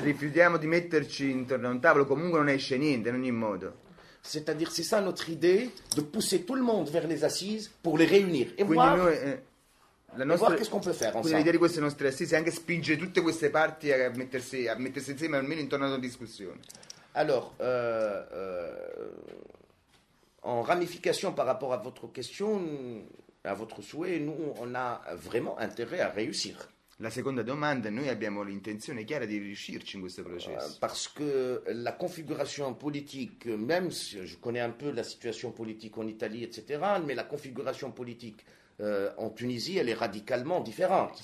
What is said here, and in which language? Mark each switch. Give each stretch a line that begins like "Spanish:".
Italian: Se rifiutiamo di metterci intorno a un tavolo, comunque non esce niente, in ogni modo.
French: C'est-à-dire, c'est ça notre idée de pousser tout le monde vers les assises pour les réunir et
Italian: quindi
French: voir.
Italian: Noi, la nostra,
French: e voir qu'est-ce qu'on peut faire ensemble.
Italian: L'idea di queste nostre assise è anche spingere tutte queste parti a mettersi insieme almeno intorno alla discussione.
French: Alors, en ramification par rapport à votre question, à votre souhait, nous on a vraiment intérêt à réussir.
Italian: La seconda domanda, noi abbiamo l'intenzione chiara di riuscirci in questo processo.
French: Parce que la configuration politique, même si je connais un peu la situation politique en Italie, etc., mais la configuration politique en Tunisie, elle est radicalement différente.